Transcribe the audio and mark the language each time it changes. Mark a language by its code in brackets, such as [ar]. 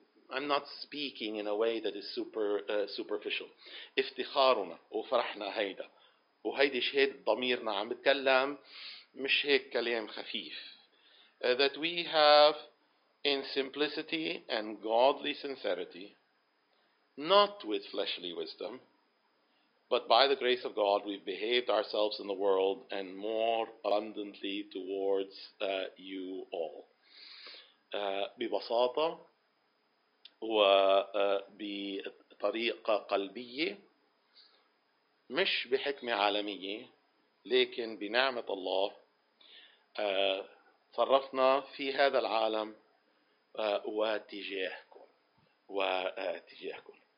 [en] I'm not speaking in a way that is superficial. [ar] افتخارنا وفرحنا هيدا وهيدي شهادة ضميرنا عم بتكلم مش هيك كلام خفيف. [en] That we have in simplicity and godly sincerity, not with fleshly wisdom, but by the grace of God, we've behaved ourselves in the world and more abundantly towards you all. [ar] ببساطة وبطريقة قلبية مش بحكمة عالمية لكن بنعمة الله صرفنا في هذا العالم وتجاهكم.